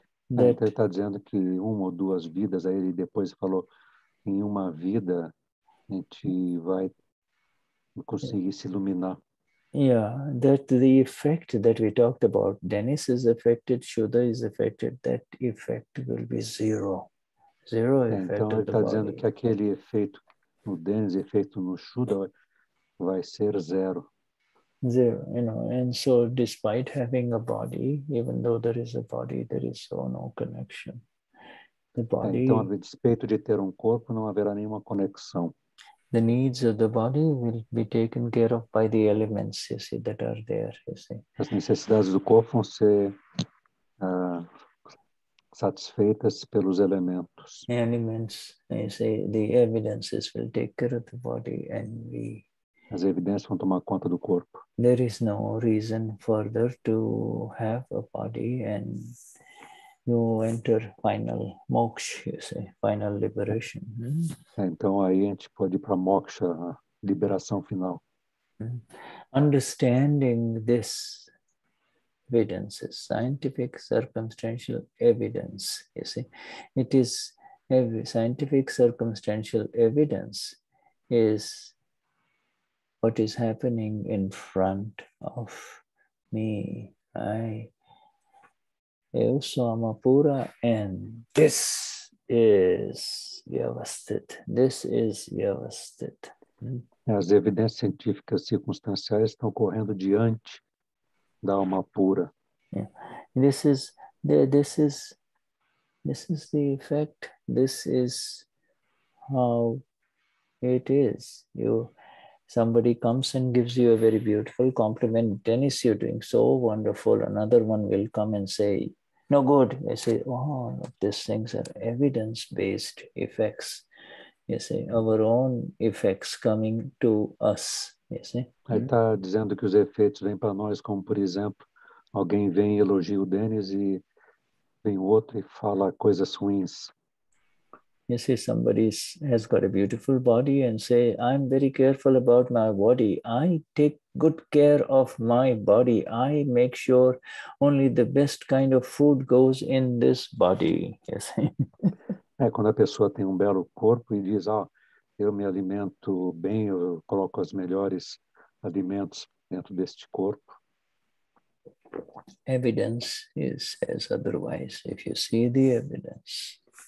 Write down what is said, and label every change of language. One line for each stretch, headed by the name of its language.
Portuguese: Então, ele está dizendo que uma ou duas vidas, aí ele depois falou, em uma vida a gente vai conseguir se iluminar.
English: Yeah, that the effect that we talked about, Dennis is affected, Shuddha is affected, that effect will be zero. Zero effect.
Portuguese: Então, ele está dizendo que aquele efeito no Dennis, efeito no Shuddha, vai ser zero.
English: Zero, you know, and so despite having a body, even though there is a body, there is so no connection. The body...
Portuguese: Então, a despeito de ter corpo, não haverá nenhuma conexão.
English: the needs of the body will be taken care of by the elements, you see, that are there, you see.
Portuguese: As necessidades do corpo vão ser satisfeitas pelos elementos.
English: Elements, you see, the evidences will take care of the body and we...
Portuguese: As evidências vão tomar conta do corpo.
English: There is no reason further to have a body and you enter final moksha, you say, final liberation. Hmm?
Portuguese: Então aí a gente pode ir para moksha, liberação final.
English: Understanding this evidence, scientific circumstantial evidence, you see, it is scientific circumstantial evidence is what is happening in front of me.
Portuguese: Eu sou Amapura,
English: and this is Vyavasthit. This is Vyavasthit.
Portuguese: As evidências científicas circunstanciais estão correndo diante da Amapura.
English: Yeah. This is the effect. This is how it is. Somebody comes and gives you a very beautiful compliment. Tennis, you're doing so wonderful. Another one will come and say, no good. I say, these things are evidence-based effects. You say, our own effects coming to us. You see?
Portuguese: Aí está dizendo que os efeitos vêm para nós, como, por exemplo, alguém vem e elogia o Denis e vem outro e fala coisas ruins.
English: You see, somebody has got a beautiful body and say, I'm very careful about my body. I take good care of my body. I make sure only the best kind of food goes in this body. You see?
Portuguese: É quando a pessoa tem belo corpo e diz, eu me alimento bem, eu coloco os melhores alimentos dentro deste corpo.
English: Evidence is as otherwise, if you see the evidence.